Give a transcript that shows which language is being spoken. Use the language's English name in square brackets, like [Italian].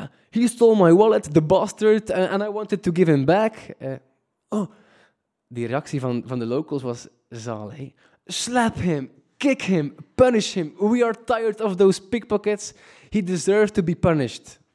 [English] He stole my wallet, the bastard, and I wanted to give him back. [Dutch] Die reactie van de locals was zalig. [English] Slap him, kick him, punish him. We are tired of those pickpockets. He deserves to be punished.